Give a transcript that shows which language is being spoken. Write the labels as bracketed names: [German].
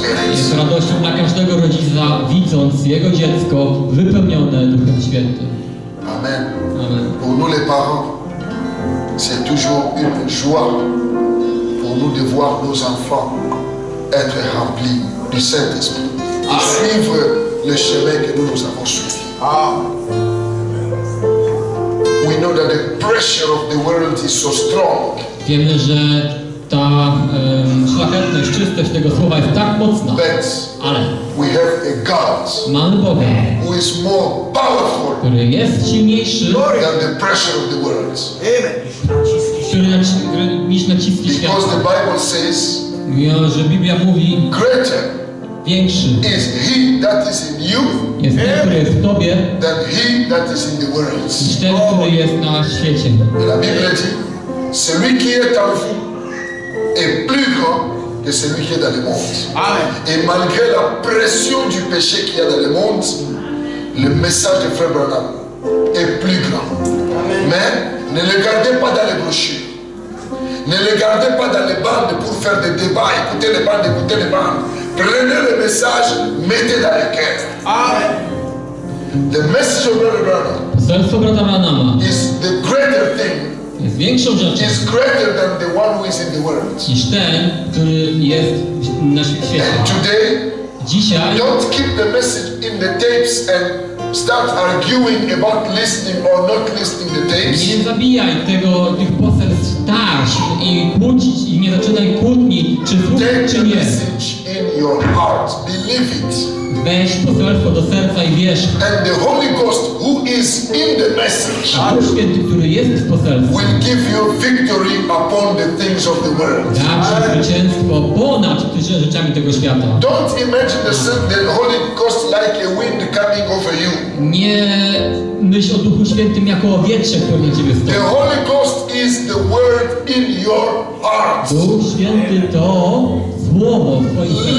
[Polish] Jest radością dla każdego rodzica, widząc jego dziecko wypełnione Duchem Świętym. Amen. Amen. [French] Pour nous les parents, c'est toujours une joie pour nous de voir nos enfants être remplis du Saint-Esprit, de suivre le chemin que nous avons suivi. Ah. [English] We know that the pressure of the world is so strong. [Polish] Wiemy, że ta szlachetność, czystość tego słowa jest tak mocna. [English] But [Polish] ale [English] we have a God, [Polish] mamy Boga, [English] who is more powerful, [Polish] który jest silniejszy, [English] glory, than the pressure of the world. [Polish] Który niż naciski świata. [English] Because the Bible says, [Polish] że Biblia mówi, [English] greater [Polish] większy [English] is he that is in you, [Polish] jest ten, który jest w tobie, [English] than he that is in the world. [Polish] Niż ten, który jest na świecie. [French] La Bible dit, celui qui est en vous est plus grand que celui qui est dans le monde. Amen. Et malgré la pression du péché qu'il y a dans le monde, le message de Frère Branham est plus grand. Amen. Mais ne le gardez pas dans les brochures. Ne le gardez pas dans les bandes pour faire des débats. Écoutez les bandes, écoutez les bandes. Prenez le message, mettez dans le cœur. Amen. [English] The message of Frère Branham, [French] c'est le Frère Branham, [English] is the greater thing. [Polish] Jest większą rzeczą, [English] is greater than the one who is in the world. [Polish] Niż ten, który jest na świecie. [English] And today, [Polish] dzisiaj, [English] don't keep the message in the tapes and start arguing about listening or not listening the tapes. [Polish] Nie zabijaj tych poselstw tarcz i kłócić i nie zaczynaj kłótni, czy słuchaj, czy nie. [English] Take the message in your heart, believe it. [Polish] Weź poselstwo do serca i wierz. [English] And the Holy Ghost, who is in the message, [Polish] a Duch Święty, który jest w poselstwie, [English] will give you victory upon the things of the world. [Polish] Da ci zwycięstwo ponad rzeczami tego świata. [English] Don't imagine the Holy Ghost like a wind coming over you. [Polish] Nie myśl o Duchu Świętym jako o wietrze, który na ciebie stoi. [English] The Holy Ghost is the word in your heart. [Polish] Duch Święty to słowo w twoim sercu.